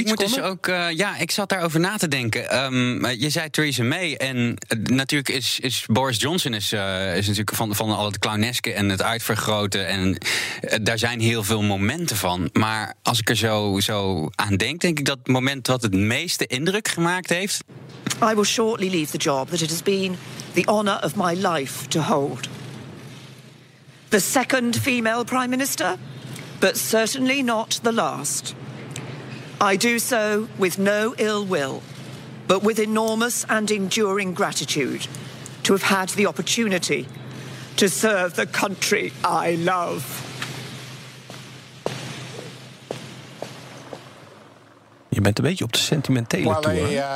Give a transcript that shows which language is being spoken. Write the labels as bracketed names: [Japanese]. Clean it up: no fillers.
[Dutch] Ik moet dus ook, ik zat daarover na te denken. Je zei Theresa May. En natuurlijk is Boris Johnson is natuurlijk van al het clowneske en het uitvergroten. En daar zijn heel veel momenten van. Maar als ik er zo aan denk, denk ik dat het moment wat het meeste indruk gemaakt heeft. [English] I will shortly leave the job that it has been the honor of my life to hold. The second female prime minister, but certainly not the last. I do so with no ill will, but with enormous and enduring gratitude to have had the opportunity to serve the country I love. [Dutch] Je bent een beetje op de sentimentele tour.